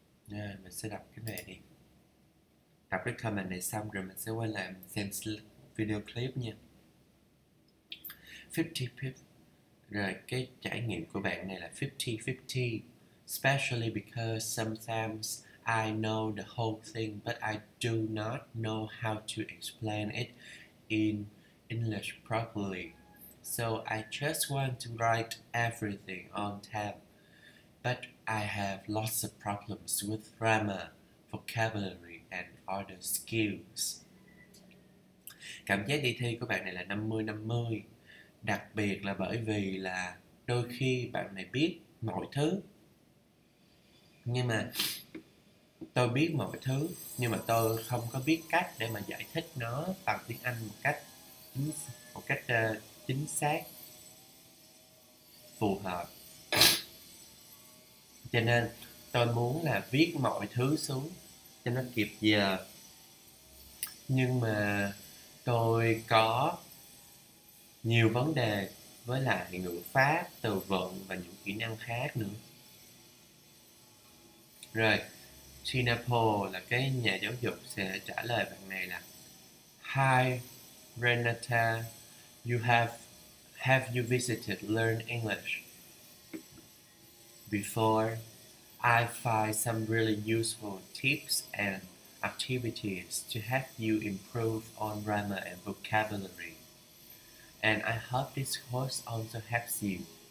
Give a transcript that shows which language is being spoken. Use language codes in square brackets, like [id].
[vi] Mình sẽ đọc cái này đi. Đọc cái comment này xong rồi mình sẽ quay lại mình xem video clip nha. 50-50. Rồi cái trải nghiệm của bạn này là 50-50. [en] Especially because sometimes I know the whole thing, but I do not know how to explain it in English properly. So I just want to write everything on tab. But I have lots of problems with grammar, vocabulary, and other skills. [vi] Cảm giác đi thi của bạn này là 50-50. Đặc biệt là bởi vì là đôi khi bạn này biết mọi thứ. Nhưng mà tôi biết mọi thứ, nhưng mà tôi không có biết cách để mà giải thích nó bằng tiếng Anh một cách chính xác, phù hợp. Cho nên tôi muốn là viết mọi thứ xuống cho nó kịp giờ. Nhưng mà tôi có nhiều vấn đề với lại ngữ pháp, từ vựng và những kỹ năng khác nữa. Rồi, Tina Paul là cái nhà giáo dục sẽ trả lời bạn này là: [en] Hi Renata, have you visited Learn English before? I find some really useful tips and activities to help you improve on grammar and vocabulary. And I hope this course also helps you.